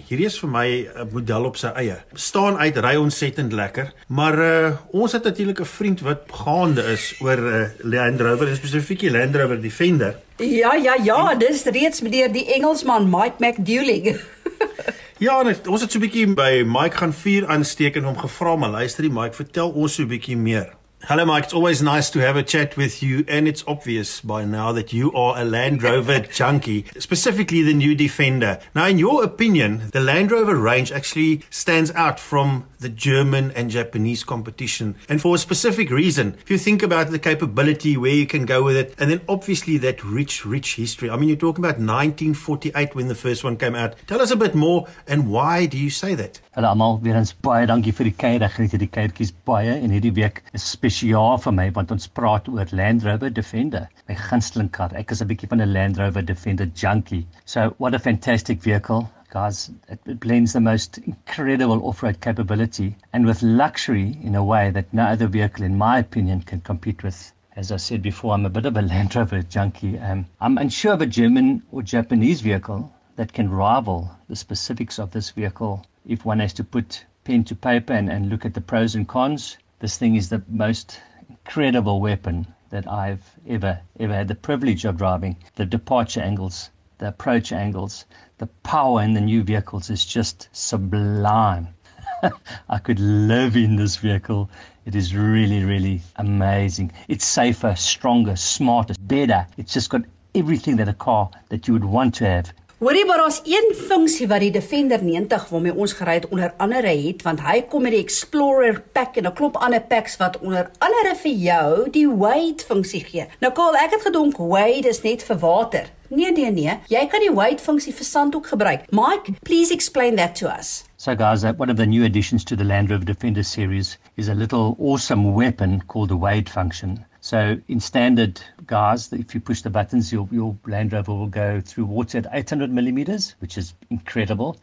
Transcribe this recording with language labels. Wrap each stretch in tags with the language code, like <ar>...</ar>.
<af>Hierdie is vir my 'n model op sy eie. Staan uit, ry ontsettend lekker, maar ons het natuurlik 'n vriend wat gaande is oor Land Rover, spesifiek die Land Rover Defender. Ja, ja, ja, en, dis reeds meneer die Engelsman Mike McDooling. Ja, en ons het so 'n bietjie by Mike gaan vuur aansteek en hom gevra, maar luister die Mike, vertel ons so 'n bietjie meer.</af> <en>Hello Mike, it's always nice to have a chat with you and it's obvious by now that you are a Land Rover junkie, specifically the new Defender. Now in your opinion, the Land Rover range actually stands out from the German and Japanese competition and for a specific reason. If you think about the capability, where you can go with it and then obviously that rich, rich history. I mean, you're talking about 1948 when the first one came out. Tell us a bit more and why do you say that?</en> <af>Hallo almal, weer eens baie dankie vir die kuier. Ek geniet hierdie kuiertjies baie en hierdie week is spesiaal vir my want ons praat oor Land Rover Defender, my gunsteling kar. Ek is 'n bietjie van 'n Land Rover Defender junkie.</af> <en>So, what a fantastic vehicle. Guys, it blends the most incredible off-road capability and with luxury in a way that no other vehicle in my opinion can compete with. As I said before, I'm a bit of a Land Rover junkie. I'm unsure of a German or Japanese vehicle that can rival the specifics of this vehicle. If one has to put pen to paper and look at the pros and cons, this thing is the most incredible weapon that I've ever had the privilege of driving. The departure angles, the approach angles, the power in the new vehicles is just sublime. I could live in this vehicle. It is really, really amazing. It's safer, stronger, smarter, better. It's just got everything that a car that you would want to have.</en> <af>Hoorie, maar daar's een funksie wat die Defender 90 waarmee ons gery het onder andere het, want hy kom met die Explorer pack en 'n klomp ander packs wat onder andere vir jou die wade funksie gee. Nou Karl, ek het gedink wade is net vir water. Nee, jy kan die wade funksie vir sand ook gebruik.</af> <en>Mike, please explain that to us. So guys, one of the new additions to the Land Rover Defender series is a little awesome weapon called the wade function. So in standard cars, if you push the buttons, your Land Rover will go through water at 800 millimeters, which is incredible.</en>